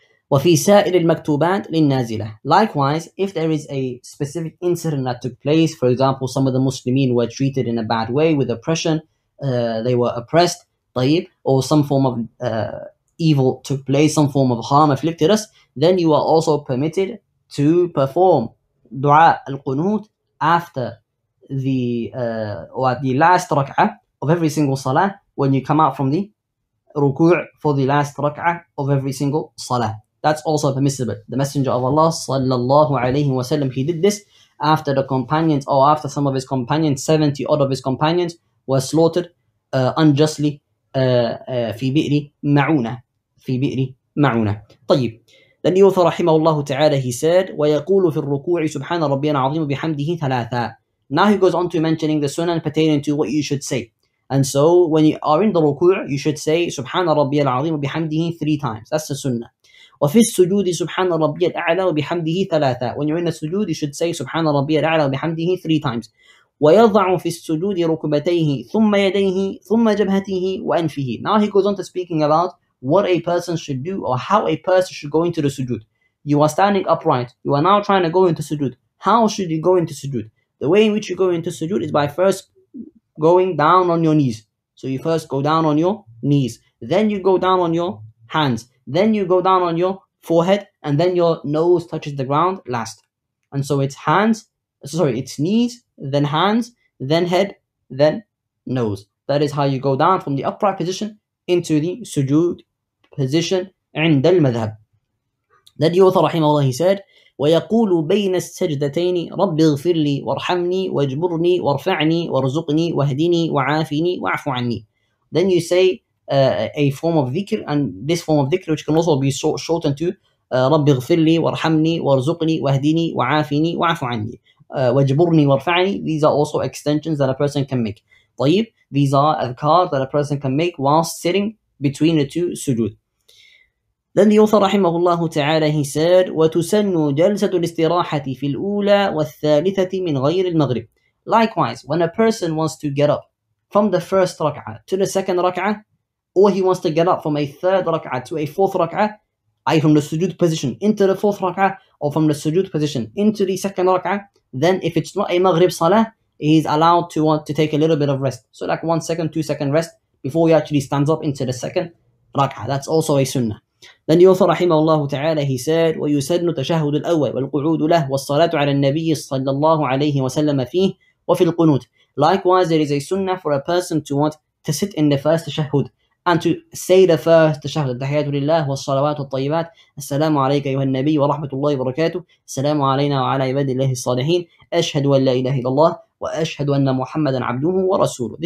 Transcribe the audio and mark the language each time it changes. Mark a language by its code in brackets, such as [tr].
[ar] وفي سائر المكتوبات للنازلة. [en] Likewise, if there is a specific incident that took place, for example, some of the Muslimin were treated in a bad way with oppression, they were oppressed, طيب, or some form of evil took place, some form of harm afflicted us, then you are also permitted to perform dua al-qunut after the or at the last rak'ah of every single salah when you come out from the ruku' for the last rak'ah of every single salah. That's also permissible. The Messenger of Allah sallallahu alayhi wa sallam, he did this after the companions, or after some of his companions, 70 odd of his companions were slaughtered unjustly fi bi'ri ma'una. [ar] Fi bi'ri ma'una. طيب. [en] Then the author rahimahullah ta'ala, he said, [ar] وَيَقُولُ فِي الرُّكُوعِ سُبْحَانَ رَبِّيَنَ عَظِيمُ بِحَمْدِهِ ثَلَاثًا. [en] Now he goes on to mentioning the sunnah pertaining to what you should say. And so when you are in the ruku' you should say [ar] سُبْحَانَ رَبِّيَنَ عَظِيمُ بِحَمْدِهِ [en] three times. That's the sunnah. [ar] وفي السجود سبحان ربي الأعلى وبحمده ثلاثة. [en] When you're in the sujood, you should say [ar] سبحان ربي الأعلى وبحمده [en] three times. [ar] ويضع في السجود ركبتيه ثم يديه ثم جبهته وأنفه. [en] Now he goes on to speaking about what a person should do, or how a person should go into the sujood. You are standing upright. You are now trying to go into sujood. How should you go into sujood? The way in which you go into sujood is by first going down on your knees. So you first go down on your knees. then you go down on your hands, then you go down on your forehead, and then your nose touches the ground last. And so it's knees, then hands, then head, then nose. That is how you go down from the upright position into the sujood position [ar] عند المذهب. [en] Then the author, rahimahullah, he said, [ar] ويقول بين السجدتين رب اغفر لي وارحمني واجبرني وارفعني وارزقني واهدني وعافني واعف عني. [en] Then you say a form of dhikr, and this form of dhikr, which can also be shortened to [ar] رب اغفر لي وارحمني وارزقني واهدني وعافني واعف عني واجبرني وارفعني. [en] These are also extensions that a person can make. طيب, these are adhkar that a person can make whilst sitting between the two sujood. Then the author, rahimahullah ta'ala, he said, [ar] وَتُسَنُّ جَلْسَةُ الْإِسْتِرَاحَةِ فِي الْأُولَى وَالثَّالِثَةِ مِنْ غَيْرِ الْمَغْرِبِ. [en] Likewise, when a person wants to get up from the first rak'ah to the second rak'ah, or he wants to get up from a third rak'ah to a fourth rak'ah, i.e. from the sujood position into the fourth rak'ah, or from the sujood position into the second rak'ah, then if it's not a maghrib salah, he is allowed to want to take a little bit of rest. So like 1 second, 2 second rest before he actually stands up into the second rak'ah. That's also a sunnah. Then the author, rahimahullah ta'ala, he said, [ar] وَيُسَنُّ تَشَهُدُ الْأَوَّلِ وَالْقُعُودُ لَهُ وَالصَّلَاةُ عَلَى النَّبِيِّ صَلَّى اللَّهُ عَلَيْهِ وَسَلَّمَ فِيهِ وَفِي الْقُنُودِ. [en] Likewise, there is a sunnah for a person to want to sit in the first tashahud and to say the first tashahud, [ar] التحيات لله والصلوات والطيبات السلام عليك أيها النبي ورحمة الله وبركاته السلام علينا وعلى عباد الله الصالحين أشهد أن لا إله إلا الله وأشهد أن محمدا عبده ورسوله.